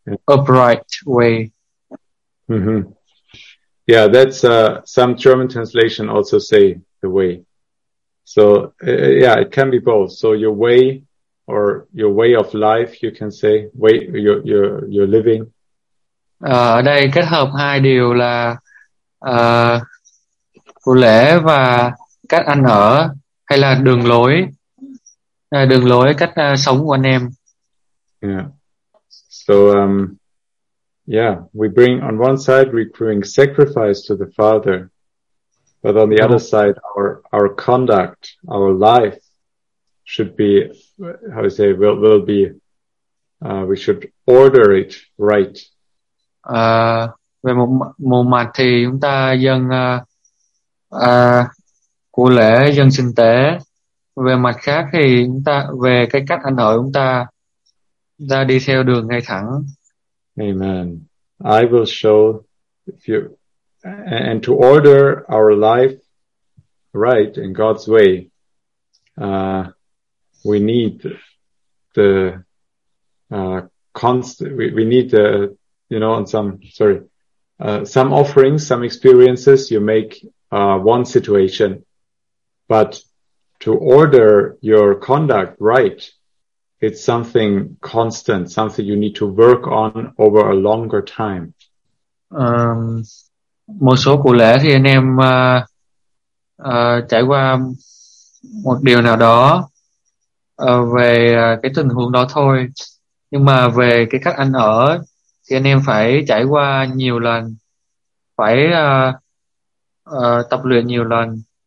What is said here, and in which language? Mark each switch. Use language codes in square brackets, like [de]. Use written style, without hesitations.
[en] The upright way. Mm-hmm. Yeah, that's some German translation also say the way. So, yeah, it can be both. So your way or your way of life, you can say, way, your living. [vi] Ở đây kết hợp hai điều là phụ lễ và cách ăn ở hay là đường lối cách sống của anh em. [en] Yeah. So, yeah, we bring on one side we bring sacrifice to the Father, but on the other side our conduct, our life should be, how do you say, will be, we should order it right. [vi] Về một mặt thì chúng ta dâng của lễ dâng sinh tế, về mặt khác thì chúng ta về cái cách ăn ở chúng ta ra đi theo đường ngay thẳng. [en] Amen. I will show if you and to order our life right in God's way. We need the constant. We need the, you know, on some, sorry, some offerings, some experiences, you make one situation. But to order your conduct right, it's something constant, something you need to work on over a longer time. [vi] Một số cụ lễ thì anh em trải qua một điều nào đó về cái tình huống đó thôi. Nhưng mà về cái cách ăn ở thì anh em phải trải qua nhiều lần, phải tập luyện nhiều lần.